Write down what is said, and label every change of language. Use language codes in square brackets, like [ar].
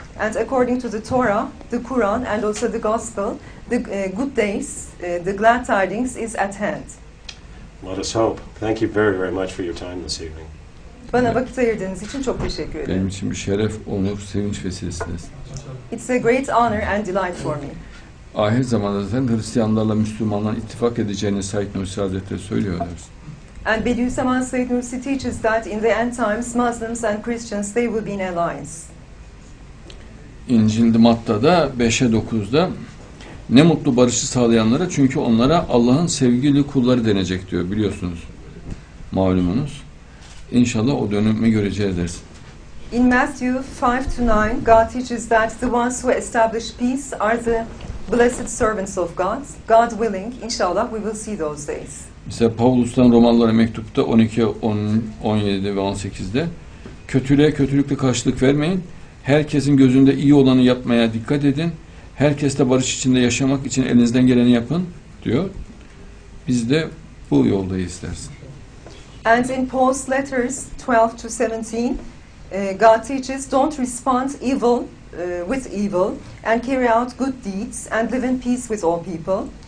[en] And according to the Torah, the Quran, and also the Gospel, the good days, the glad tidings is at hand. Let us hope. Thank you very, very much for your time this evening. [tr] Bana vakit ayırdığınız için çok teşekkür ederim. Benim için bir şeref, onur, sevinç vesilesiniz. [en] It's a great honor and delight for me. [tr] Ahir zamanda zaten Hristiyanlarla Müslümanların ittifak edeceğini Said Nursi Hazretleri söylüyorlar. [en] And Bediüzzaman Said Nursi teaches that in the end times Muslims and Christians they will be in alliance. [tr] İncil'de Matta'da 5'e 9'da ne mutlu barışı sağlayanlara, çünkü onlara Allah'ın sevgili kulları denecek diyor, biliyorsunuz. Malumunuz. İnşallah o dönemi göreceğiz deriz. [en] In Matthew 5-9 God teaches that the ones who establish peace are the blessed servants of God. God willing, inshallah, we will see those days. [tr] Mesela Paulus'tan Romalılara mektupta 12, 10, 17 ve 18'de kötülüğe kötülükle karşılık vermeyin. Herkesin gözünde iyi olanı yapmaya dikkat edin. Herkesle barış içinde yaşamak için elinizden geleni yapın diyor. Biz de bu yoldayız dersin. [en] And in Paul's letters 12-17, God teaches don't respond evil with evil and carry out good deeds and live in peace with all people.